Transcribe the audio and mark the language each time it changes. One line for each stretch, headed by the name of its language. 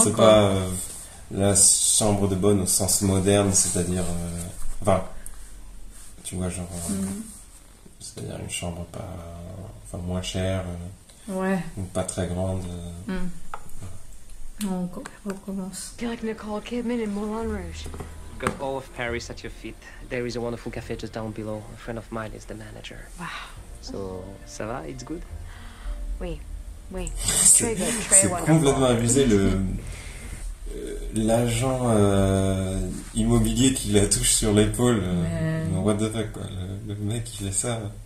French: C'est pas la chambre de bonne au sens moderne, c'est-à-dire... Tu vois, genre, c'est-à-dire une chambre pas, enfin, moins chère, pas très grande. On recommence.
English: I feel like Nicole Kidman in Moulin Rouge. You've got all of Paris at your feet. There is a wonderful cafe just down below. A friend of mine is the manager. Wow. So,
French: ça va?
English: It's good?
French: Oui. C'est complètement abusé le l'agent immobilier qui la touche sur l'épaule. Mais...
English: what the fuck,
French: quoi. Le mec qui fait ça.